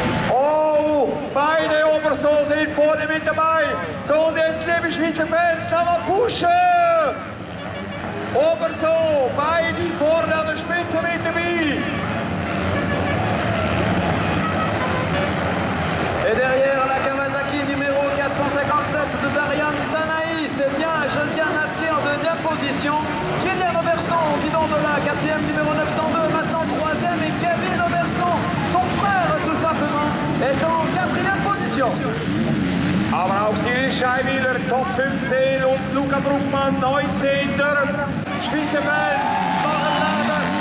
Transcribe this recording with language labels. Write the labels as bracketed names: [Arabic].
[German] Oh, beide Oberson sind vorne mit dabei. So, und jetzt liebe Schweizer Fans, da mal pushen. Oberson, beide vorne an der Spitze mit dabei. [French] Et derrière la Kawasaki numéro 457 de Darian Sanaï, c'est bien Josiane Atzler en deuxième position. Kylian Overson, guidon de la KTM numéro 902, maintenant troisième. Et Kevin Overson, son frère tout simplement, est en quatrième position. [German] Aber auch Cyril Scheiwiller, top 15, und Luca Bruckmann, 19er. Schweizer Fans.